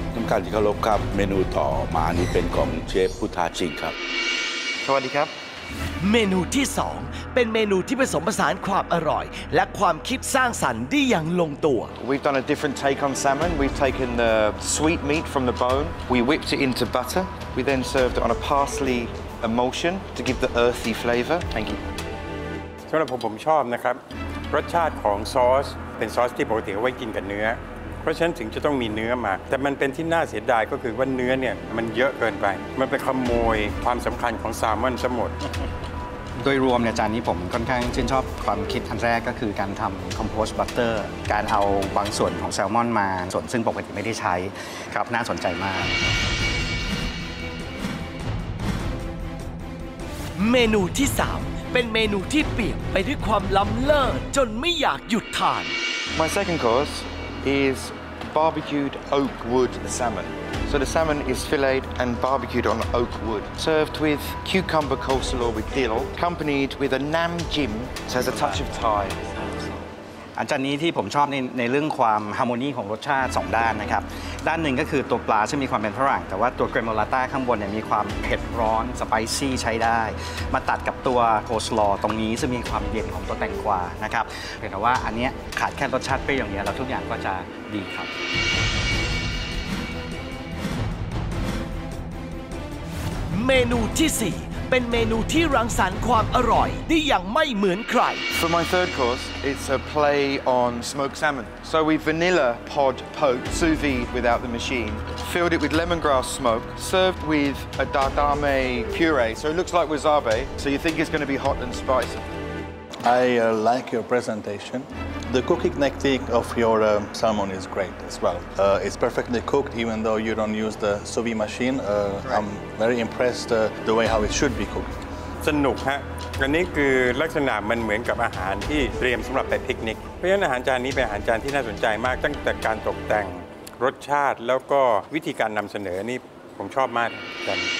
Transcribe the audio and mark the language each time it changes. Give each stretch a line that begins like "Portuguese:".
Thai: การที่เขาลบครับเมนูต่อมานี้เป็นของเชฟผู้ท้าชิงครับ สวัสดีครับ เมนูที่2เป็นเมนูที่ผสมผสานความอร่อยและความคิดสร้างสรรค์ได้อย่างลงตัว
English: We've done a different take on salmon. We've taken the sweet meat from the bone. We whipped it into butter. We then served it on a parsley emulsion to give the earthy flavor. Thank you.
Thai: สำหรับผมชอบนะครับรสชาติของซอสเป็นซอสที่ปกติไว้กินกับเนื้อเพราะฉะนั้นถึงจะต้องมีเนื้อมาแต่มันเป็นที่น่าเสียดายก็คือว่าเนื้อเนี่ยมันเยอะเกินไปมันไปขโมยความสำคัญของแซลมอนซะหมด โดยรวมเนี่ยจานนี้ผมค่อนข้างชื่นชอบความคิดอันแรกก็คือการทำคอมโพสต์บัตเตอร์การเอาบางส่วนของแซลมอนมาส่วนซึ่งปกติไม่ได้ใช้ครับน่าสนใจมาก เมนูที่3เป็นเมนูที่เปี่ยมไปด้วยความล้ำเลิศจนไม่อยากหยุดทาน
English: My second courseis barbecued oak wood salmon. So the salmon is filleted and barbecued on oak wood, served with cucumber coleslaw with dill, accompanied with a nam jim, so has a touch of Thai.
Thai: อันจานนี้ที่ผมชอบในเรื่องความฮาร์โมนีของรสชาติ2ด้านนะครับด้านหนึ่งก็คือตัวปลาซึ่งมีความเป็นฝรั่งแต่ว่าตัวเกรโมลาต้าข้างบนเนี่ยมีความเผ็ดร้อนสไปซี่ใช้ได้มาตัดกับตัวโคสลอตรงนี้ซึ่งมีความเย็นของตัวแตงกวานะครับเห็นว่าอันนี้ขาดแค่รสชาติไปอย่างเดียวแล้วทุกอย่างก็จะดีครับ เมนูที่4เป็นเมนูที่รังสรรค์ความอร่อยได้อย่างไม่เหมือนใคร
English: For my third course it's a play on smoked salmon so we vanilla pod poke sous vide without the machine filled it with lemongrass smoke served with a dadame puree so it looks like wasabi so you think it's going to be hot and spicy I like your presentation the cooking technique of your salmon is great as well it's perfectly cooked even though you don't use the sous vide machine I'm very impressed the way how it should be cooked
Thai: สนุกฮะอันนี้คือลักษณะมันเหมือนกับอาหารที่เตรียมสำหรับไปปิกนิกเพราะฉะนั้นอาหารจานนี้เป็นอาหารจานที่น่าสนใจมากตั้งแต่การตกแต่งรสชาติแล้วก็วิธีการนำเสนอนี่ผมชอบมากจาน